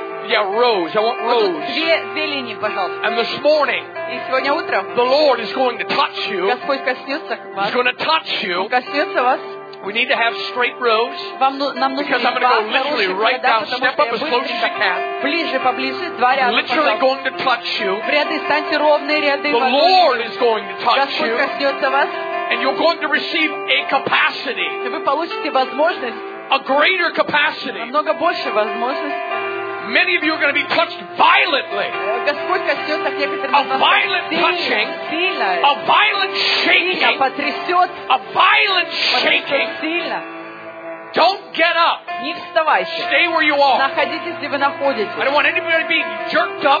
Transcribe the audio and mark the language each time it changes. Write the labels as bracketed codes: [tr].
[en] Yeah, rows. I want rows. [ru] Две линии, пожалуйста. [en] And this morning, [ru] и сегодня утром, [en] the Lord is going to touch you. [ru] Господь коснется вас. [en] He's going to touch you. [ru] Он коснется вас. [en] We need to have straight rows. Because I'm going to go literally right down. Step up as close as you can. [ru] Ближе, два ряда. [en] I'm literally going to touch you. [ru] В ряды станьте ровные ряды. [en] The Lord is going to touch [ru] Господь [en] you. [ru] Господь коснется вас. [en] And you're going to receive a capacity. [ru] И вы получите возможность. [en] A greater capacity. [ru] Намного больше возможность. [en] Many of you are going to be touched violently. A violent touching. A violent shaking. A violent shaking. Don't get up. Stay where you are. I don't want anybody being jerked up.